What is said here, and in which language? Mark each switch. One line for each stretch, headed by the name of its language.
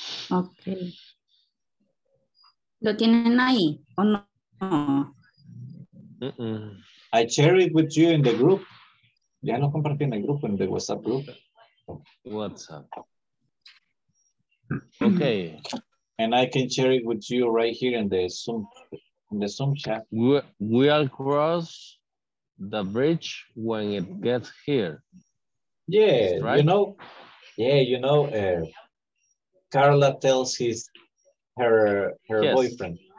Spanish: Okay. ¿Lo tienen ahí o no?
English: I share it with you in the group.
Spanish: Ya lo compartí en el grupo, en el WhatsApp group.
English: WhatsApp. Okay. And I can share it with you right here in the Zoom, chat. We'll cross the bridge when it gets here. Yeah, right? You know. Yeah, you know. Carla tells his her yes. boyfriend.